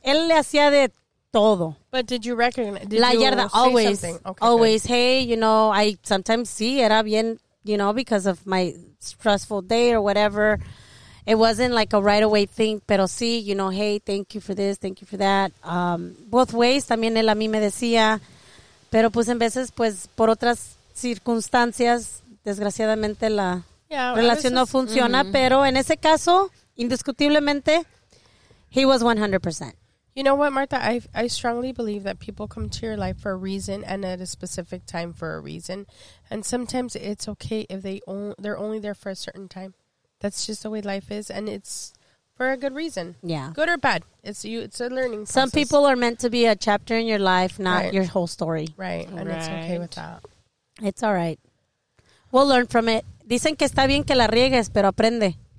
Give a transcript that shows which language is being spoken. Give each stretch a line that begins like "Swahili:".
Spanish: Él le hacía de todo.
English: But did you recognize? Did
Spanish: La yarda,
English: you always. Okay, always. Good. Hey, you know, I sometimes
Spanish: sí, era bien,
English: you know, because of my stressful day or whatever. It wasn't like a right away thing,
Spanish: pero sí,
English: you know, hey, thank you for this, thank you for that. Both ways,
Spanish: también él a mí me decía. Pero pues en veces, pues por otras circunstancias, desgraciadamente la relación no funciona. Mm-hmm. Pero en ese caso, indiscutiblemente,
English: he was 100%. You know what, Martha? I strongly believe that people come to your life for a reason and at a specific time for a reason. And sometimes it's okay if they're only there for a certain time. That's just the way life is. And it's for a good reason. Yeah. Good or bad. It's a learning process. Some people are meant to be a chapter in your life, not your whole story. Right. And it's okay with that. It's all right. We'll learn from it.
Spanish: Dicen que está bien que la riegues, pero aprende.